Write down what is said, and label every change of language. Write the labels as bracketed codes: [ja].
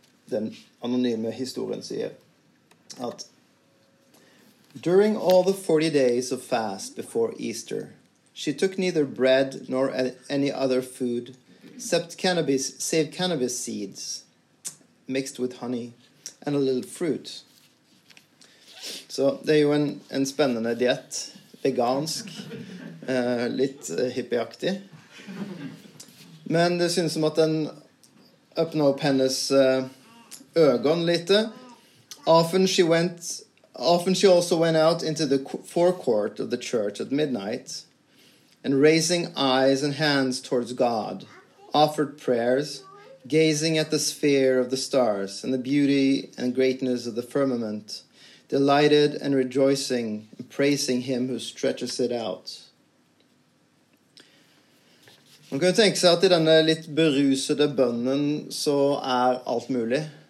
[no] Den anonyme historien sier at [en] during all the 40 days of fast before Easter, she took neither bread nor any other food, save cannabis seeds mixed with honey and a little fruit. [no] Så det er jo en spennende diet, vegansk, litt hippieaktig. Men det synes som at den åpner opp hennes ögon lite. [en] Often she also went out into the forecourt of the church at midnight and raising eyes and hands towards God, offered prayers, gazing at the sphere of the stars and the beauty and greatness of the firmament, delighted and rejoicing and praising him who stretches it out. [no] Man kan tenke seg at i denne litt berusede bønnen så er alt mulig.